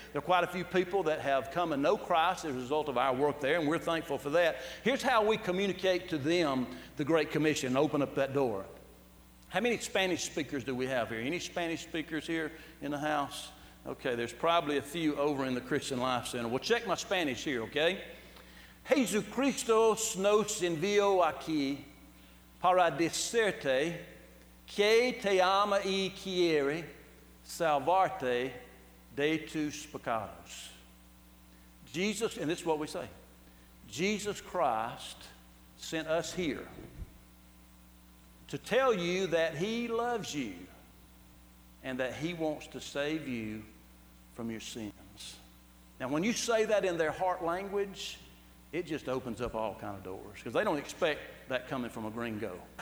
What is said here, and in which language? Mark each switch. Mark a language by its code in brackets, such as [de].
[en] There are quite a few people that have come and know Christ as a result of our work there, and we're thankful for that. Here's how we communicate to them the Great Commission, open up that door. How many Spanish speakers do we have here? Any Spanish speakers here in the house? Okay, there's probably a few over in the Christian Life Center. Well, check my Spanish here, okay? [es] Jesucristo nos envió aquí para decirte que te ama y quiere salvarte de tus pecados. [en] Jesus, and this is what we say, Jesus Christ sent us here to tell you that he loves you and that he wants to save you from your sins. Now, when you say that in their heart language, it just opens up all kind of doors, because they don't expect that coming from a gringo.